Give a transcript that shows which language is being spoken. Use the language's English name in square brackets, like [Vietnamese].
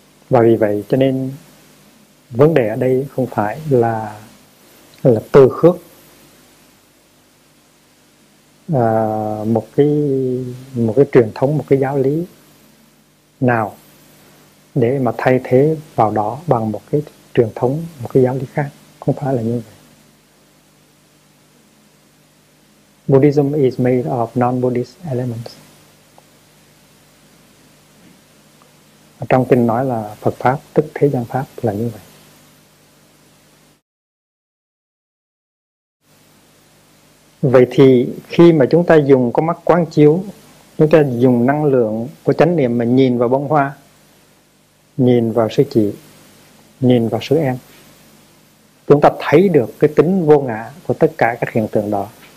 [Vietnamese] Và vì vậy cho nên vấn đề ở đây không phải là từ khước một cái truyền thống, một cái giáo lý nào để mà thay thế vào đó bằng một cái truyền thống, một cái giáo lý khác. Không phải là như vậy. [English] Buddhism is made of non-Buddhist elements. [Vietnamese] Ở trong kinh nói là Phật Pháp tức thế gian Pháp là như vậy. Vậy thì khi mà chúng ta dùng con mắt quán chiếu, chúng ta dùng năng lượng của chánh niệm mà nhìn vào bông hoa, nhìn vào sư chị, nhìn vào sư em, chúng ta thấy được cái tính vô ngã của tất cả các hiện tượng đó.